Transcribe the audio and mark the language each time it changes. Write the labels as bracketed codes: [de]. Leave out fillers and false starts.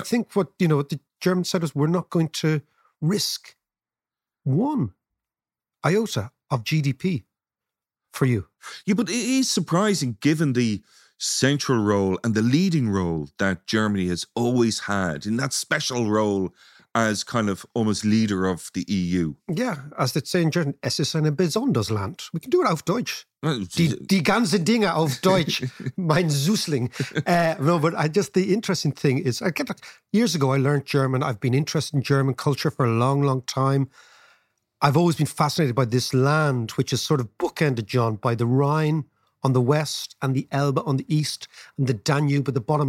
[en] I think what the Germans said is we're not going to risk one iota of GDP for you. Yeah, but it is surprising given the central role and the leading role that Germany has always had in that special role as kind of almost leader of the EU. Yeah, as they say in German, es ist eine besonderes Land. We can do it auf Deutsch. [de] Die ganze Dinge auf Deutsch, mein Süßling. [en] The interesting thing is, years ago I learned German. I've been interested in German culture for a long, long time. I've always been fascinated by this land, which is sort of bookended, John, by the Rhine on the west and the Elbe on the east and the Danube at the bottom.